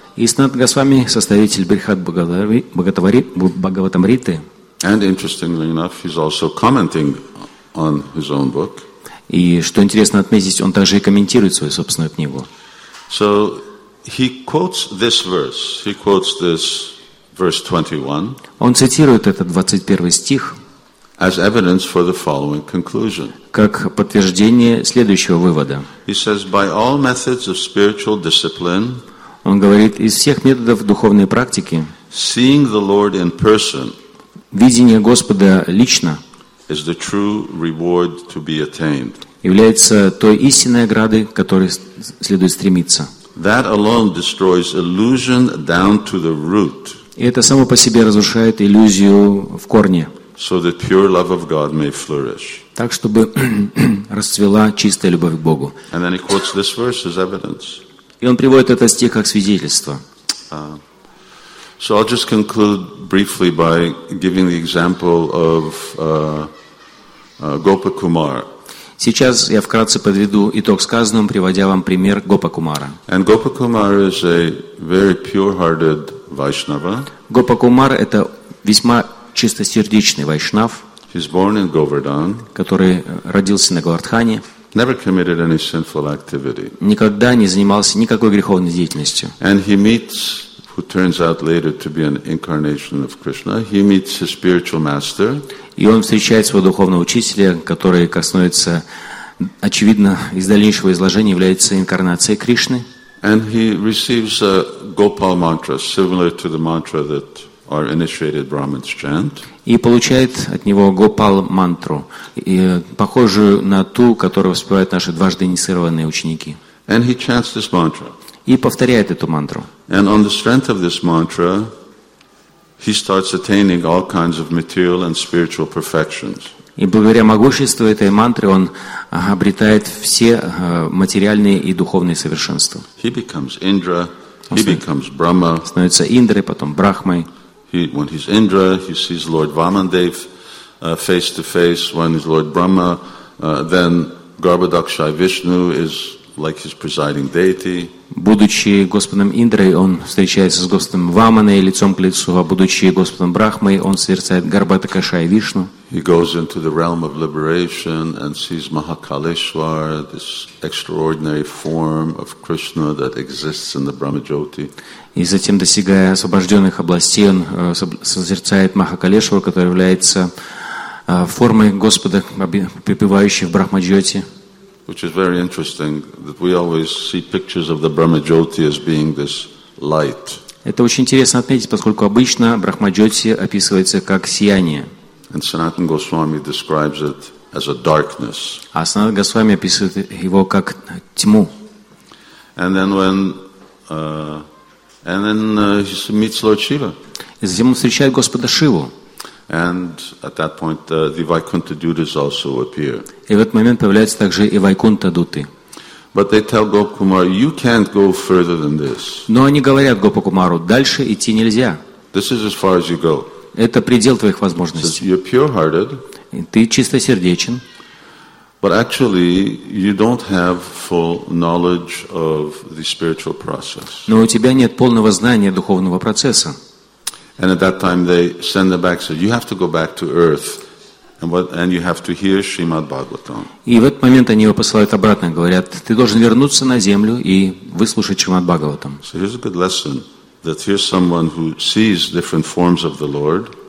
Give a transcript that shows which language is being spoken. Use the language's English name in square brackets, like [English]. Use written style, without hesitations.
[Russian] и Санат Госвами, составитель Брихад Бхагаватамриты, [English] and interestingly enough, he's also commenting on his own book. [Russian] И что интересно отметить, он также и комментирует свою собственную книгу. [English] So he quotes this verse. He quotes this verse 21. [Russian] Он цитирует этот 21 стих [English] as evidence for the following conclusion. [Russian] Как подтверждение следующего вывода. [English] He says, by all methods of spiritual discipline. [Russian] Он говорит, из всех методов духовной практики. [English] Seeing the Lord in person. [Russian] Видение Господа лично. [English] Is the true reward to be attained. [Russian] является той истинной оградой, к которой следует стремиться. [English] That alone destroys illusion down to the root. [Russian] И это само по себе разрушает иллюзию в корне. [English] So that pure love of God may flourish. [Russian] Так, чтобы расцвела чистая любовь к Богу. [English] And then he quotes this verse as evidence. [Russian] И он приводит этот стих как свидетельство. [English] So I'll just conclude briefly by giving the example of Gopa Kumar. [Russian] Сейчас я вкратце подведу итог сказанному, приводя вам пример Гопа Кумара. [English] And Gopa Kumar is a very pure-hearted Vaishnava. [Russian] Гопа Кумар – это весьма чистосердечный вайшнав, [English] He's born in Govardhan. [Russian] Который родился на Говардхане. [English] Never committed any sinful activity. [Russian] Никогда не занимался никакой греховной деятельностью. [English] And he meets, who turns out later to be an incarnation of Krishna, he meets his spiritual master. [Russian] И он встречает своего духовного учителя, который коснуется, очевидно, из дальнейшего изложения является инкарнацией Кришны. [English] And he receives a Gopal mantra, similar to the mantra that our initiated Brahmins chant. [Russian] И получает от него Гопал мантру, похожую на ту, которую воспевают наши дважды инициированные ученики. [English] And he chants this mantra. [Russian] И повторяет эту мантру. [English] And on the strength of this mantra, he starts attaining all kinds of material and spiritual perfections. [Russian] И благодаря могуществу этой мантры он обретает все материальные и духовные совершенства. [English] He becomes Indra. He becomes Brahma. [Russian] Становится Индрой, потом Брахмой. [English] When he's Indra, he sees Lord Vamandev face to face. When he's Lord Brahma, then Garbhadakshaya Vishnu is like his presiding deity. [Russian] Будучи Господом Индрой, он встречается с Господом Ваманой лицом к лицу, а будучи Господом Брахмой, он созерцает Гарбхадакшая Вишну. [English] He goes into the realm of liberation and sees Mahakaleshwar, this extraordinary form of Krishna that exists in the Brahmajyoti. [Russian] И затем, достигая освобожденных областей, он созерцает Махакалешвар, который является формой Господа, пребывающей в Брахмаджоти. [English] Which is very interesting that we always see pictures of the Brahmajyoti as being this light. [Russian] Это очень интересно отметить, поскольку обычно Брахмаджоти описывается как сияние. [English] And Sanatan Goswami describes it as a darkness. [Russian] А Санат Госвами описывает его как тьму. [English] And then he meets Lord Shiva. [Russian] И затем он встречает Господа Шиву. [English] And at that point, the Vaikuntha Dutas also appear. [Russian] И в этот момент появляются также и Вайкунта Дуты. [English] But they tell Gopa Kumar, "You can't go further than this." [Russian] Но они говорят Гопа Кумару, дальше идти нельзя. [English] This is as far as you go. [Russian] Это предел твоих возможностей. [English] So you're pure-hearted. [Russian] Ты чистосердечен. [English] But actually, you don't have full knowledge of the spiritual process. [Russian] Но у тебя нет полного знания духовного процесса. [English] And at that time they send them back, said, you have to go back to earth and you have to hear Srimad Bhagavatam. [Russian] И в этот момент они его посылают обратно, говорят, ты должен вернуться на землю и выслушать Шримад Бхагаватам. [English] So here's a good lesson, that here's someone who sees different forms of the Lord.